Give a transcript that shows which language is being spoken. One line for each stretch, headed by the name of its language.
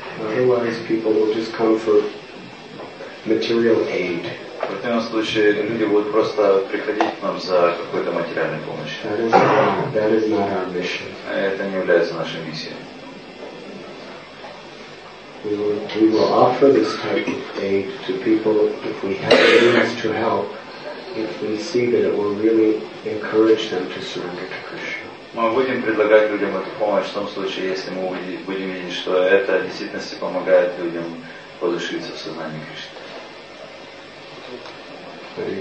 English: Otherwise, people will just come for material aid.
Russian: В противном случае люди будут просто приходить к нам за какой-то материальной помощью.
English: That is not our mission.
Russian: Это не является нашей миссией.
English: We will offer this type of aid to people if we have the means to help, if we see that it will really encourage them to surrender to Krishna.
Russian: Мы будем предлагать людям эту помощь в том случае, если мы будем видеть, что это в действительности помогает людям воодушевиться в сознании Кришны.